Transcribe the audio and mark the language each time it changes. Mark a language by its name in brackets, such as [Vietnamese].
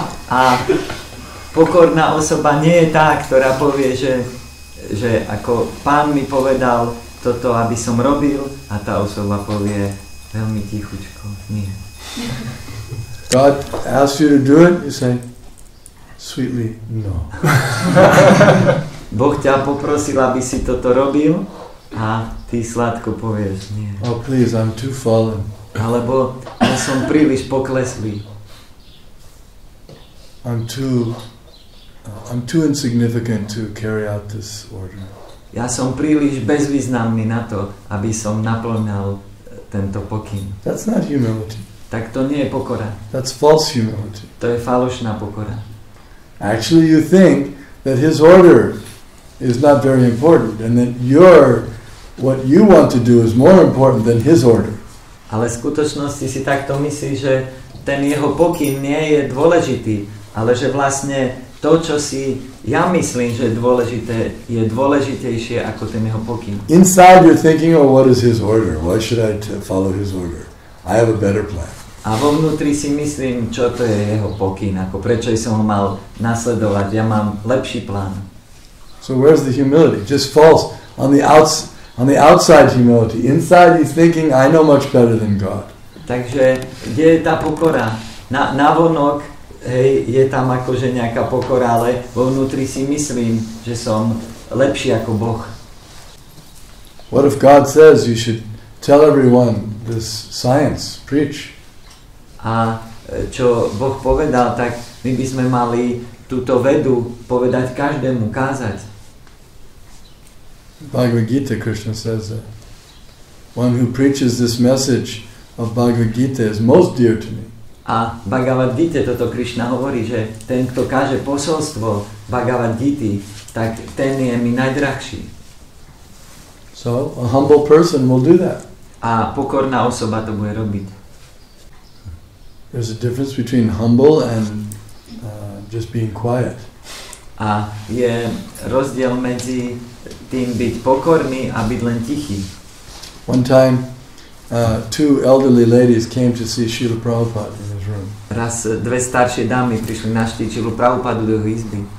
[Slovak] A pokorná osoba nie je tá, ktorá povie, že ako Pán mi povedal toto, aby som robil, a tá osoba povie veľmi tichučko, nie. [English] God asks you to do it, you say, sweetly, no. [Slovak] Boh ťa poprosil, aby si toto robil, a ty sladko povieš, nie. [English] Oh, please, I'm too fallen. [Slovak] Alebo ja som príliš pokleslý. [English] I'm too insignificant to carry out this order. [Slovak] Ja som príliš bezvýznamný na to, aby som naplňal tento pokyn. [English] That's not humility. [Slovak] Tak to nie je pokora. [English] That's false humility. [Slovak] To je falošná pokora. [English] Actually, you think that his order is not very important and that your what you want to do is more important than his order. [Slovak] Ale v skutočnosti si takto myslíš, že ten jeho pokyn nie je dôležitý, ale že vlastne to, čo si ja myslím, že dôležité, je dôležitejšie ako ten jeho pokyn. [English] Inside you're thinking, oh, what is his order? Why should I follow his order? I have a better plan. [Slovak] A vo vnútri si myslím, čo to je jeho pokyn, ako prečo som ho mal nasledovať. Ja mám lepší plán. [English] So where's the humility? Just false. On the outside humility. Inside he's thinking, I know much better than God. [Slovak] Takže, kde je tá pokora? Na vonok, hej, je tam akože nejaká pokora, ale vo vnútri si myslím, že som lepší ako Boh. [English] What if God says you should tell everyone this science, preach? [Slovak] A čo Boh povedal, tak my by sme mali túto vedu povedať každému, kázať. [English] Bhagavad Gita, Krishna says that. One who preaches this message of Bhagavad Gita is most dear to me. [Slovak] A Bhagavad Gita toto Krishna hovorí, že ten, kto káže posolstvo Bhagavad Gita, tak ten je mi najdrahší. [English] So, a humble person will do that. [Slovak] A pokorná osoba to bude robiť. [English] There's a difference between humble and just being quiet. [Slovak] A je rozdiel medzi tým byť pokorný a byť len tichý. [English] One time, two elderly ladies came to see Srila Prabhupada in his room. [Slovak] Raz dve staršie dámy prišli navštíviť Srila Prabhupádu do jeho izby.